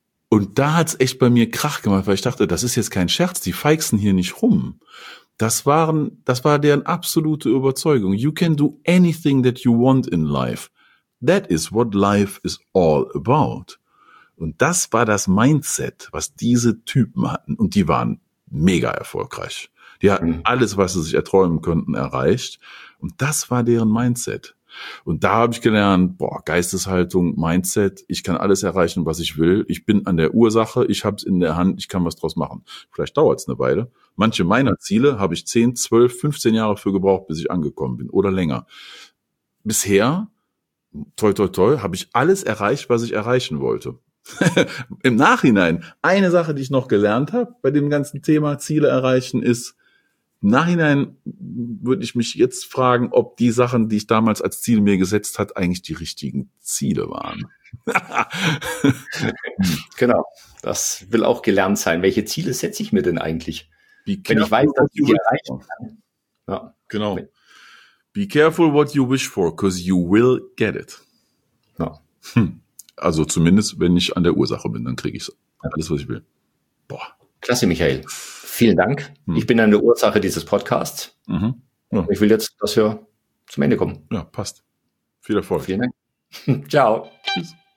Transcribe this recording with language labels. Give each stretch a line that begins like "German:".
German: Und da hat's echt bei mir Krach gemacht, weil ich dachte, das ist jetzt kein Scherz, die feixen hier nicht rum. Das war deren absolute Überzeugung.
English: You can do anything that you want in life. That is what life is all about.
German: Und das war das Mindset, was diese Typen hatten. Und die waren mega erfolgreich. Die hatten alles, was sie sich erträumen könnten, erreicht. Und das war deren Mindset. Und da habe ich gelernt, boah, Geisteshaltung, Mindset, ich kann alles erreichen, was ich will. Ich bin an der Ursache, ich habe es in der Hand, ich kann was draus machen. Vielleicht dauert es eine Weile. Manche meiner Ziele habe ich 10, 12, 15 Jahre für gebraucht, bis ich angekommen bin oder länger. Bisher, toi, toi, toi, habe ich alles erreicht, was ich erreichen wollte. Im Nachhinein, eine Sache, die ich noch gelernt habe bei dem ganzen Thema Ziele erreichen, ist, im Nachhinein würde ich mich jetzt fragen, ob die Sachen, die ich damals als Ziel mir gesetzt hat, eigentlich die richtigen Ziele waren. Genau, das will auch gelernt sein. Welche Ziele setze ich mir denn eigentlich?
English: Be careful,
German: wenn ich weiß, dass ich die erreichen kann. Ja. Genau.
English: Be careful what you wish for, because you will get it.
German: Ja. Also zumindest, wenn ich an der Ursache bin, dann kriege ich alles, was ich will. Boah. Klasse, Michael. Vielen Dank. Ich bin an der Ursache dieses Podcasts. Ich will jetzt, dass wir zum Ende kommen. Ja, passt. Viel Erfolg. Vielen Dank. Ciao. Tschüss.